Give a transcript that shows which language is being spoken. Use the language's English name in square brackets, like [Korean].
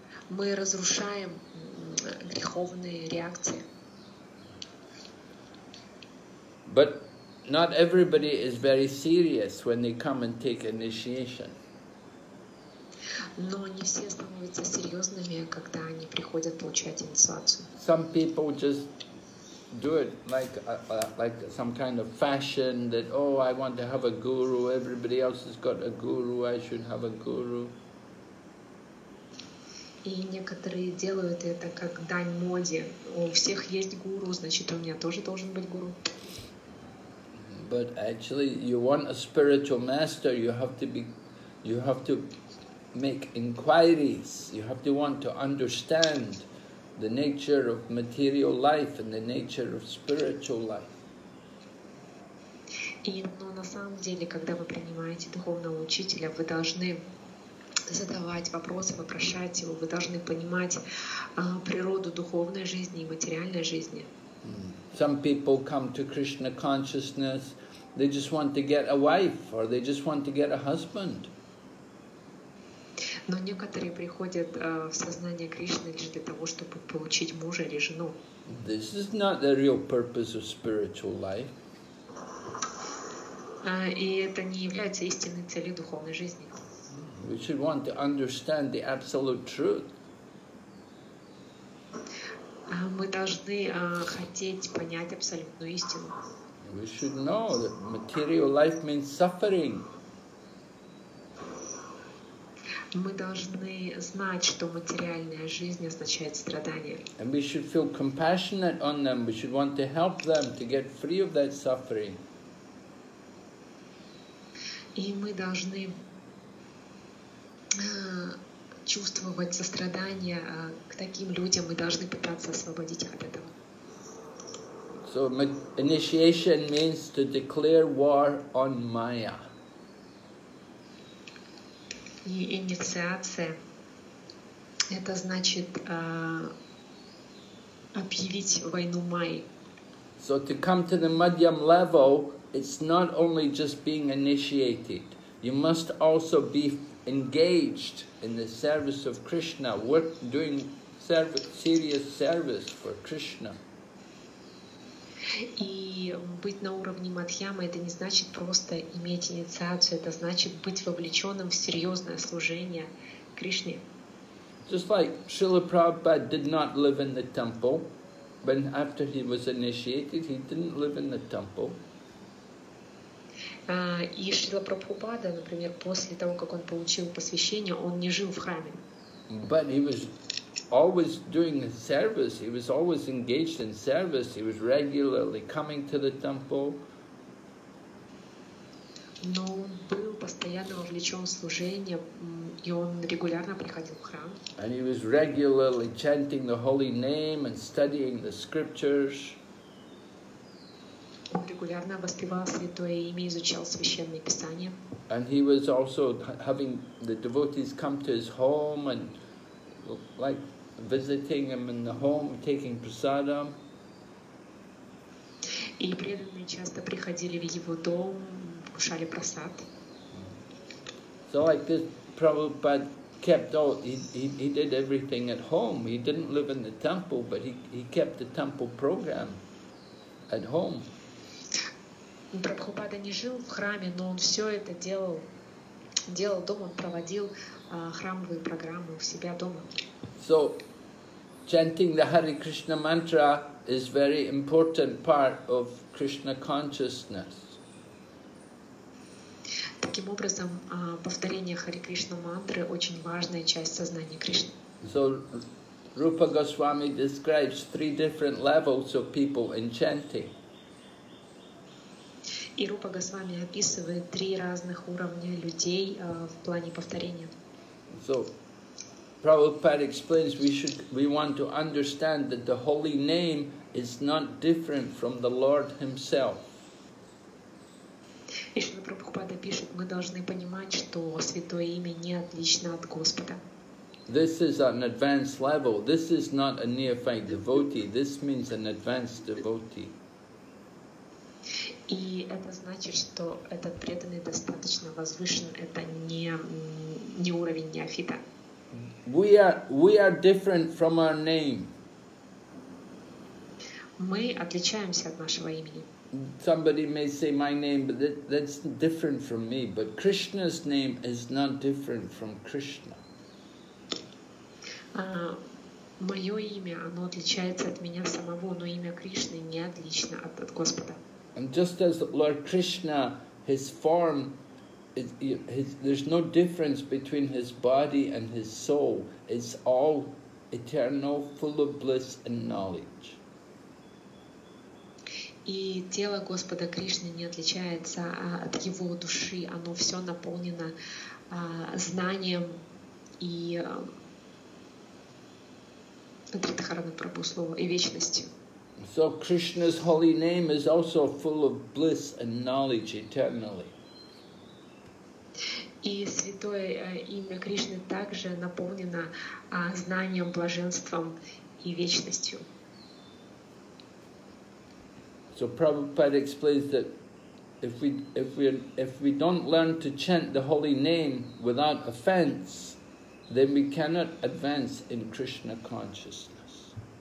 [Russian] Мы разрушаем греховные реакции. [English] But not everybody is very serious when they come and take initiation. [Russian] Но не все становятся серьезными, когда они приходят получать инициацию. [English] Some people just do it like some kind of fashion that, oh, I want to have a guru, everybody else has got a guru, I should have a guru. [Russian] И некоторые делают это как дань моде. У всех есть гуру, значит, у меня тоже должен быть гуру. [English] But actually, you want a spiritual master, you have to make inquiries, you have to want to understand the nature of material life and the nature of spiritual life. [Russian] И, но на самом деле, когда вы принимаете духовного учителя, вы должны задавать вопросы, вопрошать его, вы должны понимать природу духовной жизни и материальной жизни. [English] Some people come to Krishna consciousness, they just want to get a wife or they just want to get a husband. [Russian] Но некоторые приходят в сознание Кришны лишь для того, чтобы получить мужа или жену. [English] This is not the real purpose of spiritual life. [Russian] И это не является истинной целью духовной жизни. [English] We should want to understand the absolute truth. [Russian] Мы должны хотеть понять абсолютную истину. [English] We should know that material life means suffering. [Russian] Мы должны знать, что материальная жизнь означает страдание. [English] And we should feel compassionate on them. We should want to help them to get free of that suffering. [Russian] И мы должны чувствовать сострадание к таким людям. Мы должны пытаться освободить их от этого. [English] So initiation means to declare war on Maya. [Russian] И инициация это значит объявить войну Майи. [English] So to come to the Madhyam level, it's not only just being initiated. You must also be engaged in the service of Krishna, doing serious service for Krishna. [Russian] И быть на уровне Мадхьямы это не значит просто иметь инициацию, это значит быть вовлеченным в серьезное служение Кришне. [English] Just like Srila Prabhupada did not live in the temple, when after he was initiated, he didn't live in the temple. [Russian] И Шрила Прабхупада, например, после того, как он получил посвящение, он не жил в храме. [English] But he was always doing service. He was always engaged in service. He was regularly coming to the temple. [Russian] Но он был постоянно вовлечен в служение, и он регулярно приходил в храм. [English] And he was regularly chanting the holy name and studying the scriptures. [Russian] Он регулярно воспевал святое имя, изучал священные писания. [English] And he was also having the devotees come to his home and like visiting him in the home, taking prasadam. [Russian] И преданные часто приходили в его дом, кушали прасад. [English] So like this, Prabhupada kept all, he did everything at home. He didn't live in the temple, but he kept the temple program at home. [Russian] Прабхупада не жил в храме, но он все это делал дома, он проводил храмовые программы у себя дома. [English] So, chanting the Hare Krishna mantra is very important part of Krishna consciousness. [Russian] Таким образом, повторение Hare Krishna мантры очень важная часть сознания Кришны. [English] So, Rupa Goswami describes three different levels of people in chanting. [Russian] И Рупа Госвами описывает три разных уровня людей в плане повторения. [English] So, Prabhupada explains we want to understand that the holy name is not different from the Lord Himself. [Russian] И Шрила Прабхупада пишет, мы должны понимать, что святое имя не отлично от Господа. [English] This is an advanced level. This is not a neophyte devotee. This means an advanced devotee. [Russian] И это значит, что этот преданный достаточно возвышен, это не уровень неофита. [English] We are different from our name. [Russian] Мы отличаемся от нашего имени. [English] Somebody may say my name, but that's different from me. But Krishna's name is not different from Krishna. [Russian] Мое имя, оно отличается от меня самого, но имя Кришны не отлично от Господа. [English] And just as Lord Krishna, his form, there's no difference between his body and his soul. It's all eternal, full of bliss and knowledge. [Russian] И тело Господа Кришны не отличается от его души. Оно все наполнено знанием и Дхарана Прабху слово и вечностью. [English] So Krishna's holy name is also full of bliss and knowledge eternally. [Russian] И святое имя Кришны также наполнено знанием, блаженством и вечностью. [English] So Prabhupada explains that if we don't learn to chant the holy name without offense, then we cannot advance in Krishna consciousness.